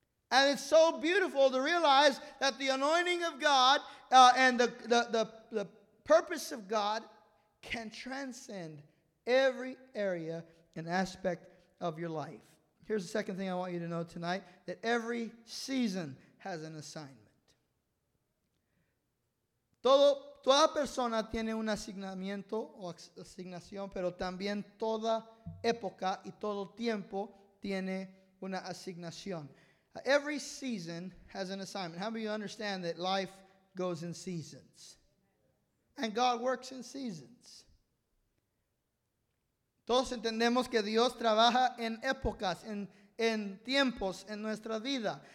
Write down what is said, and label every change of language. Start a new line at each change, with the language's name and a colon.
English: And it's so beautiful to realize that the anointing of God and the purpose of God can transcend every area and aspect of your life. Here's the second thing I want you to know tonight, that every season has an assignment.
Spanish: Toda persona tiene un asignamiento o asignación, pero también toda época y todo tiempo tiene una asignación.
English: Every season has an assignment. How many of you understand that life goes in seasons? And God works in seasons.
Spanish: Todos entendemos que Dios trabaja en épocas, en tiempos, en nuestra vida.